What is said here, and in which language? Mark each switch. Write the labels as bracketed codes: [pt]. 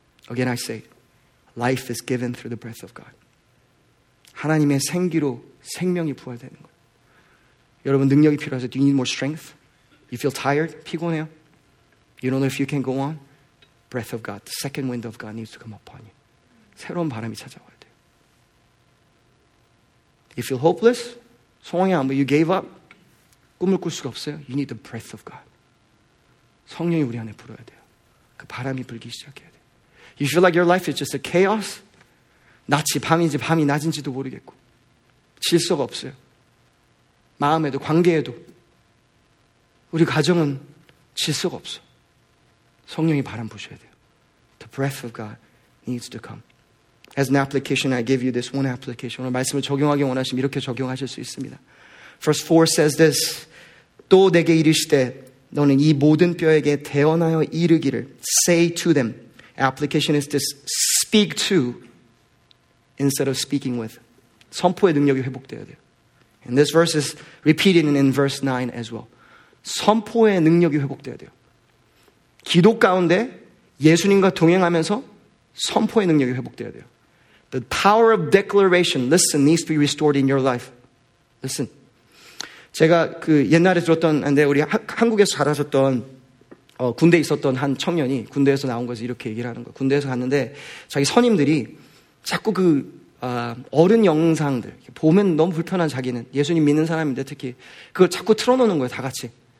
[en] Again, I say, life is given through the breath of God. [ko] 하나님의 생기로 생명이 부활되는 거예요. 여러분, 능력이 필요하세요. [en] Do you need more strength? You feel tired? [ko] 피곤해요? [en] You don't know if you can go on? Breath of God, the second wind of God needs to come upon you. [ko] 새로운 바람이 찾아와야 돼요. [en] You feel hopeless? [ko] 소망이 안 보여. [en] You gave up? [ko] 꿈을 꿀 수가 없어요. [en] You need the breath of God. [ko] 성령이 우리 안에 불어야 돼요. 그 바람이 불기 시작해야 돼요. [en] You feel like your life is just a chaos? [ko] 낮이 밤인지 밤이 낮인지도 모르겠고 질서가 없어요. 마음에도 관계에도 우리 가정은 질서가 없어. 성령이 바람 부셔야 돼요. [en] The breath of God needs to come. As an application, I give you this one application. [ko] 오늘 말씀을 적용하기 원하시면 이렇게 적용하실 수 있습니다. [en] Verse 4 says this. [ko] 또 내게 이르시되 너는 이 모든 뼈에게 대언하여 이르기를 [en] say to them. Application is this. Speak to instead of speaking with. [ko] 선포의 능력이 회복되어야 돼요. [en] And this verse is repeated in verse 9 as well. [ko] 선포의 능력이 회복되어야 돼요. 기도 가운데 예수님과 동행하면서 선포의 능력이 회복되어야 돼요. [en] The power of declaration, listen, needs to be restored in your life. Listen. [ko] 제가 그 옛날에 들었던, 근데 우리 한국에서 자라셨던 군대에 있었던 한 청년이 군대에서 나온 거지 이렇게 얘기를 하는 거예요. 군대에서 갔는데 자기 선임들이 자꾸 그 어른 영상들 보면 너무 불편한 자기는 예수님 믿는 사람인데 특히 그걸 자꾸 틀어놓는 거예요. 다 같이.